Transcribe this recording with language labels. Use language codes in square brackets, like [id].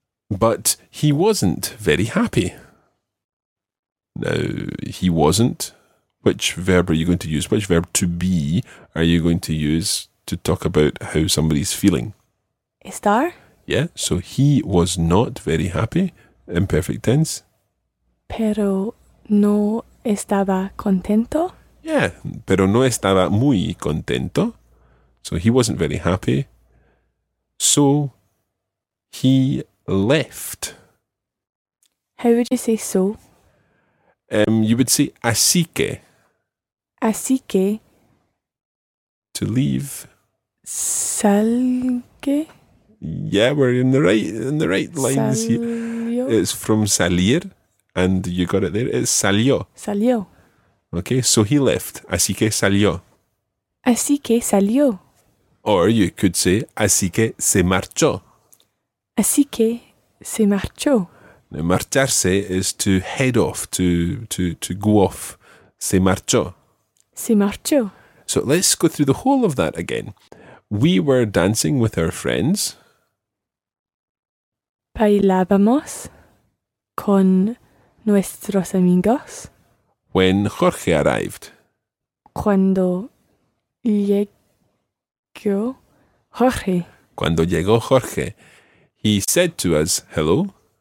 [en] But he wasn't very happy. Now, he wasn't. Which verb are you going to use? Which verb to be are you going to use to talk about how somebody's feeling? [es] Estar. [en] Yeah, so he was not very happy, imperfect tense. [es] Pero no estaba contento. Yeah, pero no estaba muy contento. [en] So he wasn't very happy. So he left. How would you say so? You would say así que. [es] Así que. [en] To leave. [es] Salgue. [en] Yeah, we're in the right lines here. It's from salir, and you got it there. It's salió. [es] Salió. [en] Okay, so he left. [es] Así que salió. Así que salió. [en] Or you could say, [es] así que se marchó. Así que se marchó. [en] Now, marcharse is to head off, to go off. [es] Se marchó. Se marchó. [en] So let's go through the whole of that again. We were dancing with our friends. [es] Bailábamos con nuestros amigos. [en] When Jorge arrived. [es] Cuando llegó Jorge. Cuando llegó Jorge. [en] He said to us, hello.